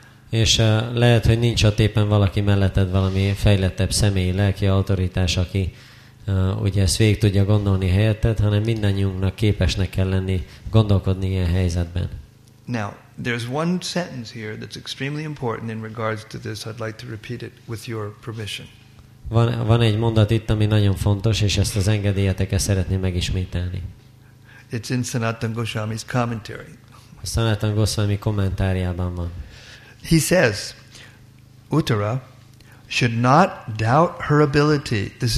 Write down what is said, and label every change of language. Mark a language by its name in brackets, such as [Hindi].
[Hungarian] És lehet, hogy nincs ott éppen valaki melletted valami fejlettebb személyi lelki autoritás, aki ugye ezt végig tudja gondolni helyetted, hanem mindannyiunknak képesnek kell lenni gondolkodni ilyen helyzetben. [English] Now, there's one sentence here that's extremely important in regards to this. I'd like to repeat it with your permission. [Hungarian] Van egy mondat itt, ami nagyon fontos, és ezt az engedélyeteket szeretném megismételni. [English] It's in Sanatana Goswami's commentary. [Hungarian] A Sanatana Goswami kommentáriában van. [English] He says, Uttara should not doubt her ability.